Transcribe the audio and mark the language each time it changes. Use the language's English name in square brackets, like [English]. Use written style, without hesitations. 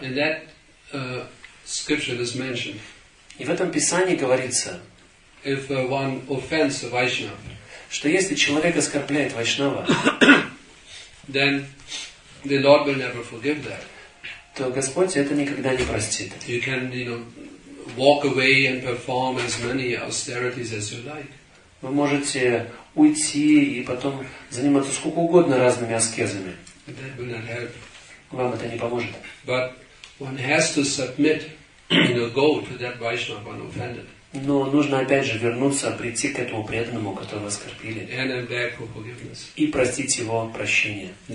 [English] And that scripture is mentioned. [Russian] И в этом писании говорится, [English] if one offends a Vaishnava, [Russian] что если человек оскорбляет Вайшнава, [English] then the Lord will never forgive that. [Russian] То Господь это никогда не простит. [English] You can, you know, walk away and perform as many austerities as you like. [Russian] Вы можете уйти и потом заниматься сколько угодно разными аскезами. [English] That will not help. [Russian] Вам это не поможет. [English] But one has to submit, you know, go to that Vaishnava one offended. [Russian] Но нужно опять же вернуться, прийти к этому преданному, которого оскорбили, и простить его прощение.